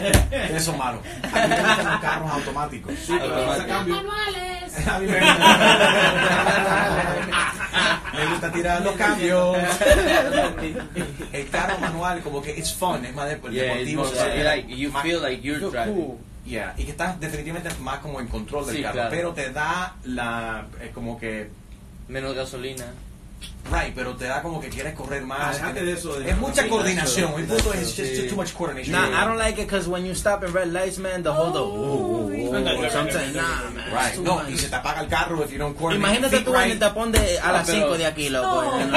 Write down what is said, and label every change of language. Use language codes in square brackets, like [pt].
[es] Eso es malo. A mí me gustan carros automáticos. Sí, automático. Manuales. A mí me gusta. Me gusta tirar los cambios. El carro manual, como que [en] it's fun, [es] es más deportivo. [en] Yeah, it's like you feel like you're driving. [es] Yeah, y que estás definitivamente más como en control del carro, claro. Pero te da la como que menos gasolina. Right, pero te da como que quieres correr más. Dejate de eso. Es mucha coordinación. El punto es [en] just too much coordination. Nah, I don't like it because when you stop in red lights, man, the whole Sometimes, nah, man. [es] Right, no, y se te apaga el carro [en] if you don't coordinate. [es] Imagínate tú en el tapón de a las 5 de aquí, loco.